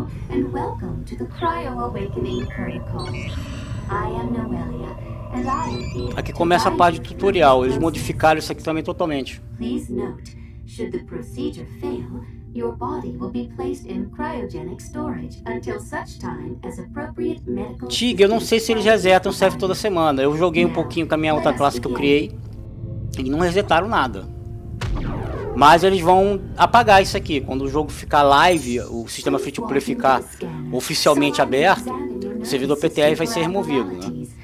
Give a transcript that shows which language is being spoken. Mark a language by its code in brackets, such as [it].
[en] And welcome to the Cryo Awakening Curriculum. I am Noelia, and I am here. [pt] Aqui começa a parte do tutorial. Eles modificaram isso aqui também totalmente. [en] Please note, should the procedure fail, your body will be placed in cryogenic storage until such time as appropriate medical. [pt] Tig, eu não sei se eles resetam o serve toda semana. Eu joguei um pouquinho com a minha outra classe que eu criei e não resetaram nada. Mas eles vão apagar isso aqui. Quando o jogo ficar live, o sistema free-to-play ficar oficialmente aberto, o servidor PTR vai ser removido, né?